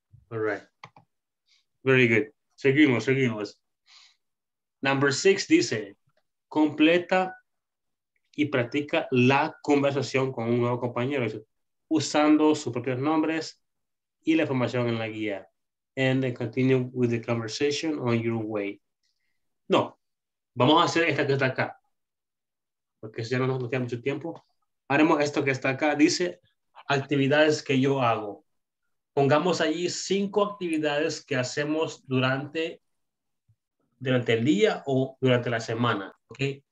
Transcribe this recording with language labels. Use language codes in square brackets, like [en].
[en] All right. Very good. [es] Seguimos, seguimos. [en] Number six [es] dice, completa y practica la conversación con un nuevo compañero usando sus propios nombres y la información en la guía. [en] And then continue with the conversation on your way. [es] No, vamos a hacer esta que está acá. Porque ya no nos queda mucho tiempo. Haremos esto que está acá. Dice, actividades que yo hago. Pongamos allí cinco actividades que hacemos durante el día o durante la semana, ¿okay?